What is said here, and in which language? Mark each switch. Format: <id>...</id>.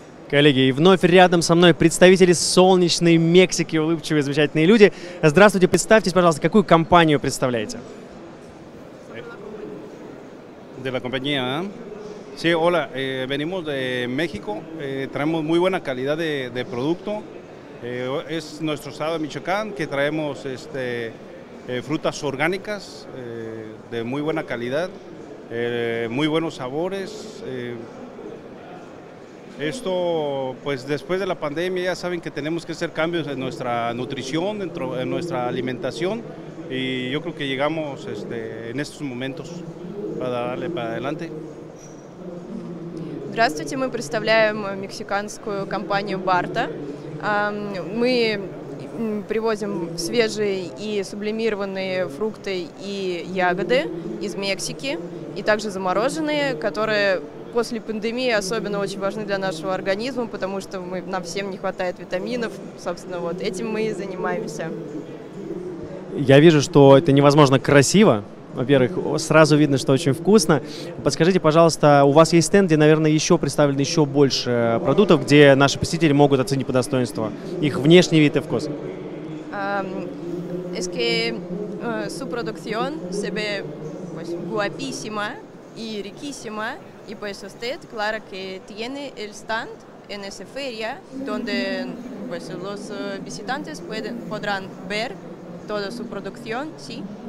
<ru>Коллеги, и вновь рядом со мной представители солнечной Мексики, улыбчивые, замечательные люди. Здравствуйте, представьтесь, пожалуйста, какую компанию представляете?</ru> <es>De la compañía, ¿eh? Sí, hola, venimos de México, traemos muy buena calidad de producto. Es nuestro estado de Michoacán, que traemos frutas orgánicas de muy buena calidad, muy buenos sabores. Esto, pues después de la pandemia, ya saben que tenemos que hacer cambios en nuestra nutrición, dentro de nuestra alimentación, y yo creo que llegamos en estos momentos para darle para adelante.</es> <ru>Здравствуйте, мы представляем мексиканскую компанию Барта. Мы привозим свежие и сублимированные фрукты и ягоды из Мексики, и также замороженные, которые после пандемии особенно очень важны для нашего организма, потому что нам всем не хватает витаминов. Собственно, вот этим мы и занимаемся. Я вижу, что это невозможно красиво. Во-первых, сразу видно, что очень вкусно. Подскажите, пожалуйста, у вас есть стенд, где, наверное, еще представлено еще больше продуктов, где наши посетители могут оценить по достоинству их внешний вид и вкус?</ru> <es>Es que su producción se ve guapísima y riquísima, y pues usted, claro que tiene el stand en esa feria, donde pues los visitantes podrán ver toda su producción, sí.</es>